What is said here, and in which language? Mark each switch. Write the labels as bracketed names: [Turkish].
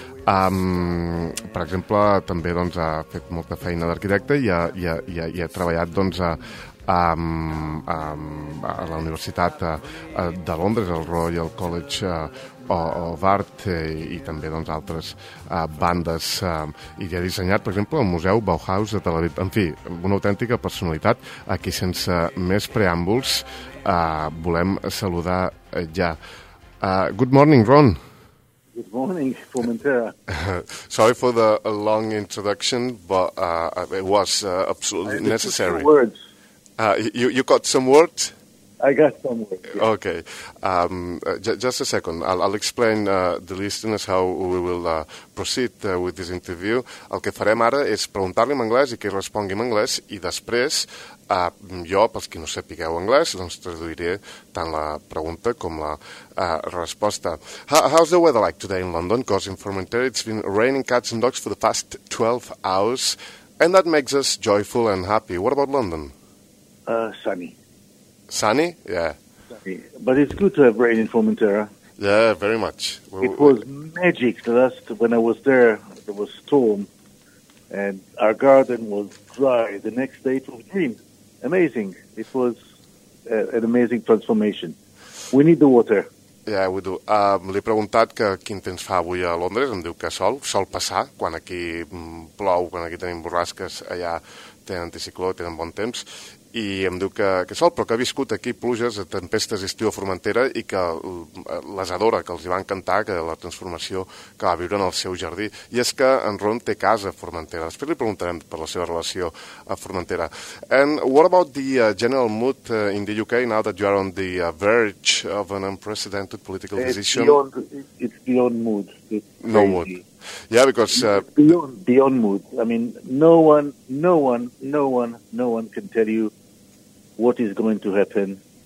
[Catalan] Per exemple, també doncs, ha fet molta feina d'arquitecte i ha treballat doncs, a la Universitat de Londres, al Royal College of Art i també doncs, altres bandes. I ha dissenyat, per exemple, el Museu Bauhaus de Tel Aviv. En fi, una autèntica personalitat a qui, sense més preàmbuls, volem saludar ja. [English] Good morning, Ron. Good morning, Formentera. Sorry for the long introduction, but it was absolutely necessary. Words. You got some words? I got some words, yeah. Okay. Just a second. I'll explain the listeners how we will proceed with this interview. [Catalan] El que farem ara és preguntar-li en anglès i que respongui en anglès, i després jo, pels qui no sapigueu anglès, doncs traduiré tant la pregunta com la resposta. [English] How's the weather like today in London? Because in Formentera it's been raining cats and dogs for the past 12 hours, and that makes us joyful and happy. What about London? Sunny. Sunny? Yeah. Sunny. But it's good to have rain in Formentera. Yeah, very much. It was magic. The last, when I was there, there was storm, and our garden was dry. The next day it was green. Amazing. It was an amazing transformation. We need the water. Yeah, we do. [Catalan] Li he preguntat que quin temps fa avui a Londres. Em diu que sol passar. Quan aquí plou, quan aquí tenim borrasques, allà tenen anticicló, tenen bon temps. I em diu que sol, però que ha viscut aquí pluges, tempestes i estiu a Formentera i que les adora, que els hi va encantar, que la transformació que va viure en el seu jardí. I és que en Ron té casa a Formentera. Després li preguntarem per la seva relació a Formentera. [English] And what about the general mood in the UK now that you are on the verge of an unprecedented political decision? It's beyond mood. It's no mood. Yeah, because beyond mood. I mean, no one can tell you what is going to happen.